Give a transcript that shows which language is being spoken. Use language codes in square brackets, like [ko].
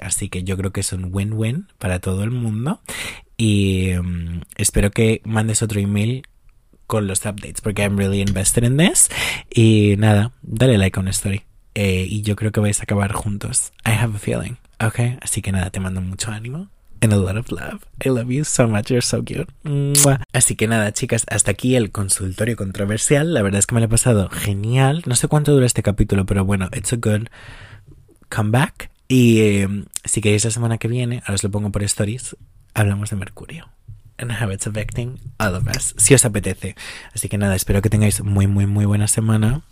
[es] Así que yo creo que es un win-win para todo el mundo. Y espero que mandes otro email con los updates, porque [en] I'm really invested in this. [es] Y nada, dale like a una story. Y yo creo que vais a acabar juntos. [en] I have a feeling. [es] Ok, así que nada, te mando mucho ánimo. [en] And a lot of love. I love you so much. You're so cute. Mua. [es] Así que nada, chicas, hasta aquí el consultorio controversial. La verdad es que me lo he pasado genial. No sé cuánto dura este capítulo, pero bueno, [en] it's a good comeback. [es] Y si queréis la semana que viene, ahora os lo pongo por stories, hablamos de Mercurio. [en] And how it's affecting all of us, [es] si os apetece. Así que nada, espero que tengáis muy, muy, muy buena semana.